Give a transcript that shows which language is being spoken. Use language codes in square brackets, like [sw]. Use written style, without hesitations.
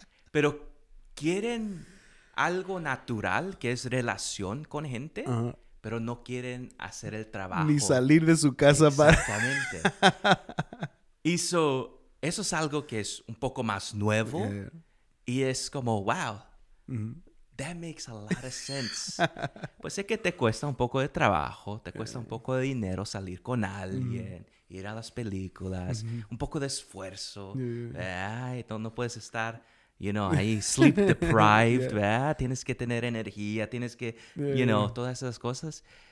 [es] Pero quieren algo natural, que es relación con gente, pero no quieren hacer el trabajo. Ni salir de su casa. Exactamente. Y eso es algo que es un poco más nuevo. Y es como, [en] wow, that makes a lot of sense. [es] Pues sé que te cuesta un poco de trabajo, te cuesta un poco de dinero salir con alguien, ir a las películas, un poco de esfuerzo. No puedes estar... [en] You know, [es] ahí [en] sleep deprived, [es] ¿verdad? Tienes que tener energía, tienes que, todas esas cosas.